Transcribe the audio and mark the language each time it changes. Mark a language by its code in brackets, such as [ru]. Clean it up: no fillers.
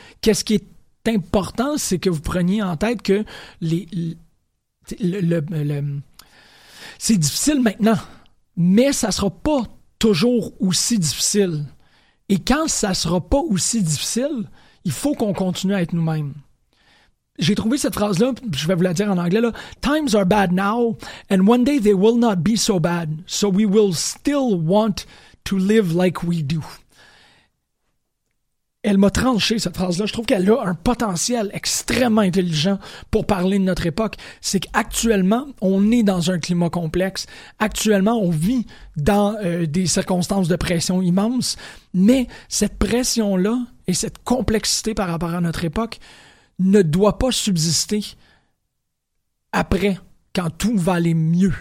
[fr] Qu'est-ce qui est important, c'est que vous preniez en tête que c'est difficile maintenant, mais ça sera pas toujours aussi difficile. Et quand ça sera pas aussi difficile, il faut qu'on continue à être nous-mêmes. J'ai trouvé cette phrase-là, je vais vous la dire en anglais, là. [en] Times are bad now, and one day they will not be so bad, so we will still want to live like we do. [fr] Elle m'a tranché, cette phrase-là. Je trouve qu'elle a un potentiel extrêmement intelligent pour parler de notre époque. C'est qu'actuellement, on est dans un climat complexe. Actuellement, on vit dans des circonstances de pression immense. Mais cette pression-là et cette complexité par rapport à notre époque ne doit pas subsister après, quand tout va aller mieux.